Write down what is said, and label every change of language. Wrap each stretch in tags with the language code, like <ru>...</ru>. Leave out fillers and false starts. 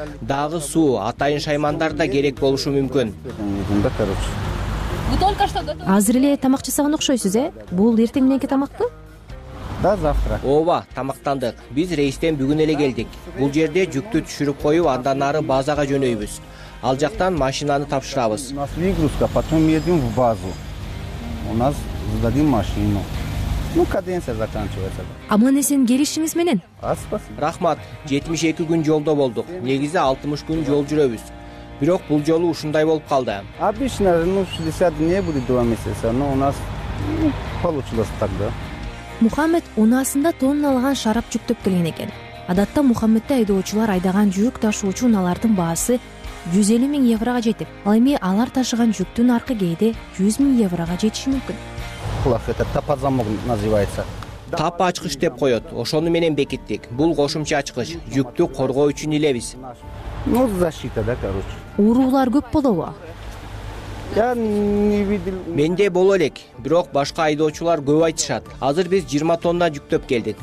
<ky>Дагы суу, атайын шаймандар да керек болушу мүмкүн. Мында, короче.</ky> <ru>Вы только что готовы?</ru> <ky>Азыр эле тамак жасаган окшойсуз, э? Бул эртең мененки тамакпы?</ky> <ru>Да, завтра.</ru> <ky>Ооба, тамактандык. Биз рейстен бүгүн эле келдик. Бул жерде жүктү түшүрүп коюп, андан ары базага жөнөйбүз. Ал жактан машинаны тапшырабыз.</ky> <ru>У нас выгрузка, потом едем в базу. У нас сдадим машину. Ну, каденция заканчивается.</ru> <ky>Аман эсен келишиңиз менен. Рахмат. 72 күн жолдо болдук. Негизи 60 күн жол жүрөбүз. Бирок бул жолу ушундай болуп калды.</ky> <ru>Обычно, ну, 60 дней будет 2 месяца, но у нас получилось так, да.</ru> <ky>Мухаммед унаасында тонналаган шарап жүктөп келген экен. Адатта Мухаммедди айдоочулар айдаган жүк ташуучу унаалардын баасы 150 000 еврога жетип, ал эми алар ташыган жүктүн аркы кейде 100 000 еврога жетиши мүмкүн.</ky> <ru>Кулак, это тапа замок называется.</ru> <ky>Тап ачкыч деп коет, ошону менен бекиттик. Бул кошумча ачкыч, жүктү коргоо үчүн илебиз.</ky> <ru>Ну, защита, да, короче.</ru> <ky>Уруулар көп болобу?</ky> <ru>Я не видел.</ru> <ky>Менде боло элек, бирок башка айдоочулар көп айтышат. Азыр биз 20 тонна жүктөп келдик.</ky>